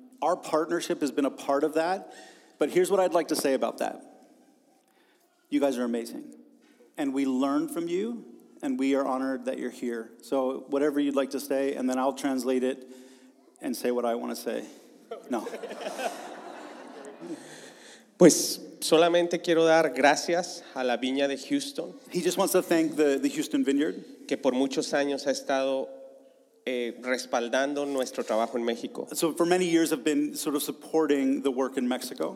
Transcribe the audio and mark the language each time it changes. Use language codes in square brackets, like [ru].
[en] Our partnership has been a part of that, but here's what I'd like to say about that. You guys are amazing, and we learn from you, and we are honored that you're here. So whatever you'd like to say, and then I'll translate it and say what I want to say. [es] No. Pues solamente quiero dar gracias a la viña de Houston. [en] He just wants to thank the Houston Vineyard. [es] Que por muchos años ha estado... respaldando nuestro trabajo en México. [en] So for many years I've been sort of supporting the work in Mexico.